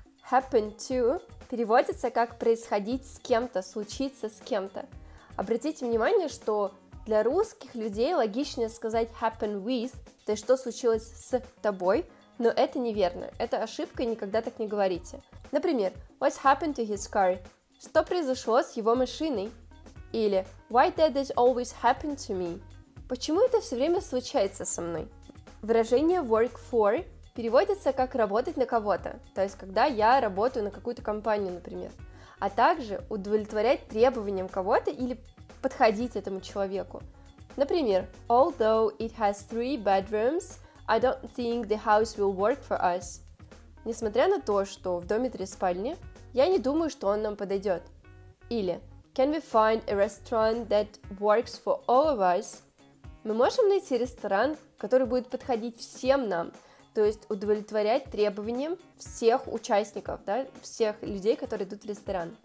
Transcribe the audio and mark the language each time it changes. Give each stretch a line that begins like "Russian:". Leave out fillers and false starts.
English: Happen to
Russian: переводится как происходить с кем-то, случиться с кем-то. Обратите внимание, что для русских людей логичнее сказать
English: happen with,
Russian: то есть что случилось с тобой, но это неверно, это ошибка, и никогда так не говорите. Например,
English: what happened to his car?
Russian: Что произошло с его машиной? Или
English: why did this always happen to me?
Russian: Почему это все время случается со мной? Выражение
English: work for
Russian: переводится как работать на кого-то, то есть когда я работаю на какую-то компанию, например, а также удовлетворять требованиям кого-то или подходить этому человеку. Например,
English: although it has three bedrooms, I don't think the house will work for us.
Russian: Несмотря на то, что в доме три спальни, я не думаю, что он нам подойдет. Или
English: can we find a restaurant that works for all of us?
Russian: Мы можем найти ресторан, который будет подходить всем нам, то есть удовлетворять требованиям всех участников, да, всех людей, которые идут в ресторан.